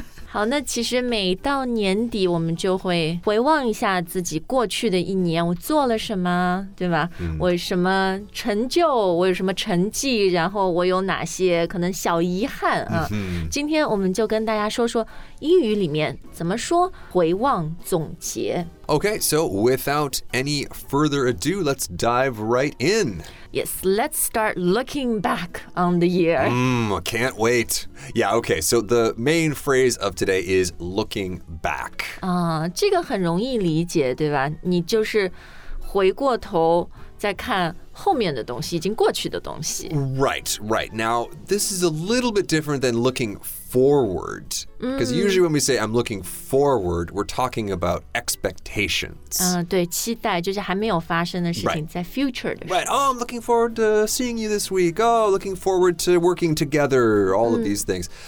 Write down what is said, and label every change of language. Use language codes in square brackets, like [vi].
[zh] 好，那其实每到年底我们就会回望一下自己过去的一年，我做了什么，对吧、嗯、我有什么成就，我有什么成绩，然后我有哪些可能小遗憾啊、嗯、今天我们就跟大家说说英语里面怎么说回望总结。 [en] Okay, so without any further ado, let's dive right in. Yes, let's start looking back on the year. Can't wait. Yeah, okay, so the main phrase of today is looking back. [zh] 这个很容易理解，对吧？你就是回过头再看后面的东西，已经过去的东西。 [en] Right, right. Now, this is a little bit different than looking forward. Because usually when we say I'm looking forward, we're talking about expectations. [zh] 对，期待就是还没有发生的事情，在 future 的事。 [en] Right, oh, I'm looking forward to seeing you this week. Oh, looking forward to working together, all of these things.